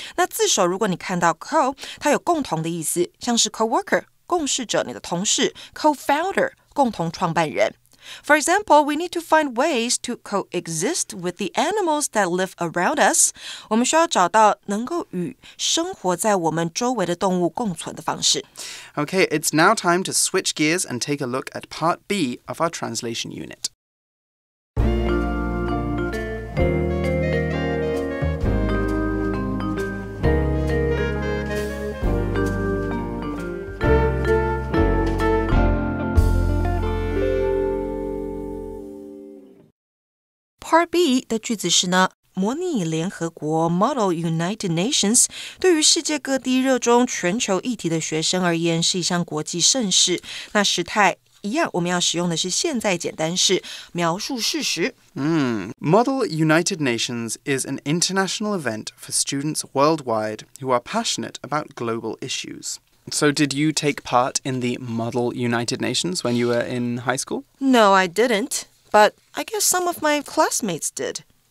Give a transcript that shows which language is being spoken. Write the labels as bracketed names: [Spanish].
[Chinese] 那字首如果你看到 co, 它有共同的意思。像是 co-worker, 共事者你的同事。Co-founder, 共同创办人。 [English] For example, we need to find ways to coexist with the animals that live around us. [Chinese] 我们需要找到能够与生活在我们周围的动物共存的方式。 [English] Okay, it's now time to switch gears and take a look at Part B of our translation unit. [Chinese] Part B 的句子是呢，模拟联合国 Model United Nations 对于世界各地热衷全球议题的学生而言是一项国际盛事。那时态一样，我们要使用的是现在简单式描述事实。 [English] Model United Nations is an international event for students worldwide who are passionate about global issues. So did you take part in the Model United Nations when you were in high school? No, I didn't. But I guess some of my classmates did.